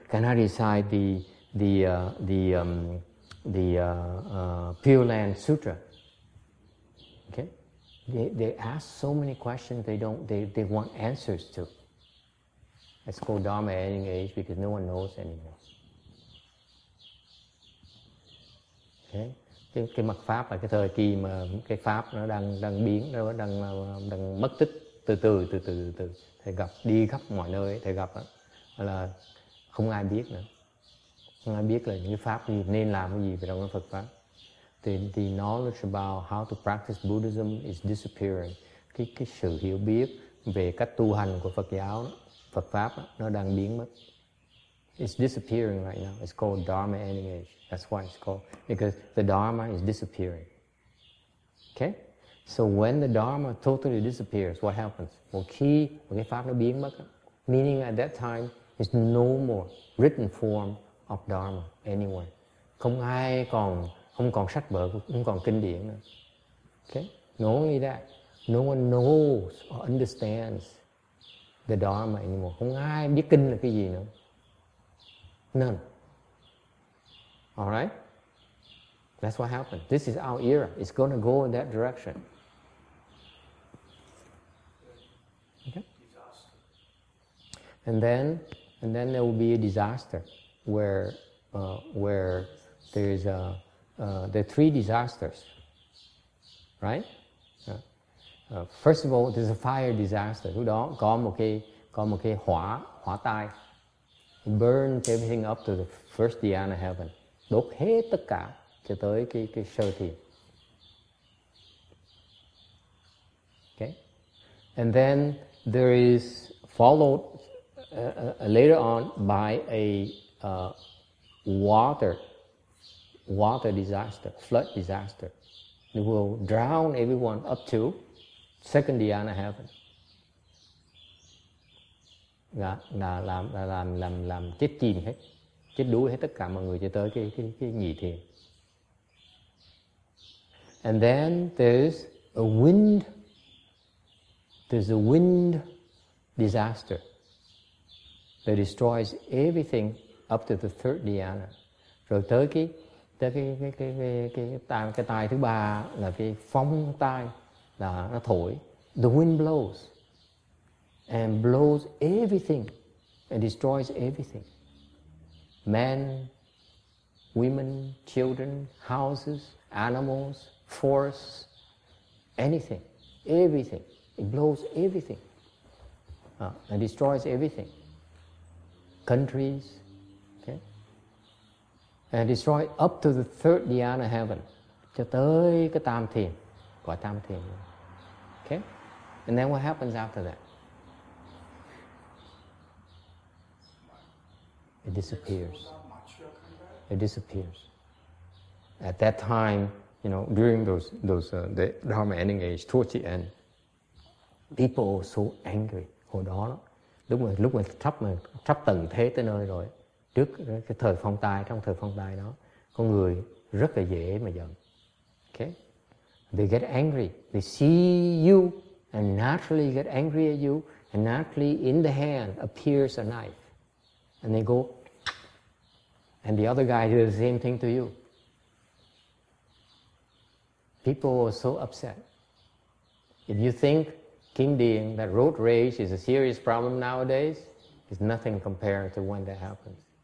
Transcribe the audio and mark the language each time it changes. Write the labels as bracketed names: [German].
[English] Can I recite Pure Land Sutra? Okay? They ask so many questions they want answers to. It's called Dharma ending age because no one knows anymore. [Vietnamese] Cái mặt pháp là cái thời kỳ mà cái pháp nó đang biến, nó đang mất tích từ từ. Thầy gặp đi khắp mọi nơi, thầy gặp là không ai biết nữa, không ai biết là những cái pháp gì nên làm cái gì về trong cái Phật pháp. [English] The knowledge about how to practice Buddhism is disappearing. [Vietnamese] Cái sự hiểu biết về cách tu hành của Phật giáo, Phật pháp nó đang biến mất. [English] It's disappearing right now. It's called Dharma ending age. That's why it's called, because the Dharma is disappearing. Okay? So when the Dharma totally disappears, what happens? Okay, [Vietnamese] pháp nó biến mất. [English] Meaning at that time, there's no more written form of Dharma anywhere. [Vietnamese] Không còn sách vở, không còn kinh điển nữa. [English] Okay? Not only that, no one knows or understands the Dharma anymore. [Vietnamese] Không ai biết kinh là cái gì nữa. [English] None. All right? That's what happened. This is our era. It's going to go in that direction. Okay? And then there will be a disaster where there's there are three disasters. Right? First of all, there's a fire disaster. [Vietnamese] Lúc đó có một cái hỏa tai. [English] It burns everything up to the first Dhyana heaven. [Vietnamese] Đốt hết tất cả cho tới cái sơ thiền. [English] Okay? And then there is followed later on by a water disaster, flood disaster. It will drown everyone up to second Dhyana heaven. [Vietnamese] Làm chết chìm hết. Chết đuối hết tất cả mọi người cho tới cái nhị thiền. [English] And then there's a wind. There's a wind disaster that destroys everything up to the third dhyana. [Vietnamese] Rồi tới cái tai thứ ba là cái phong tai là nó thổi. [English] The wind blows and blows everything and destroys everything. Men, women, children, houses, animals, forests, anything, everything. It blows everything and destroys everything. countries, okay? And destroy up to the third dhyana heaven, [Vietnamese] cho tới cái tam thiền, [English] quả tam thiền. Okay? And then what happens after that? It disappears. It disappears. At that time, you know, during the Dharma ending age, towards the end, people were so angry. [Vietnamese] Hồi đó, lúc mà sắp tầng thế tới nơi rồi, trước cái thời phong tai, trong thời phong tai đó, con người rất là dễ mà giận. [English] Okay? They get angry. They see you and naturally get angry at you, and naturally in the hand appears a knife. And they go, and the other guy does the same thing to you. People are so upset. If you think Kim Dien, that road rage, is a serious problem nowadays, it's nothing compared to when that happens.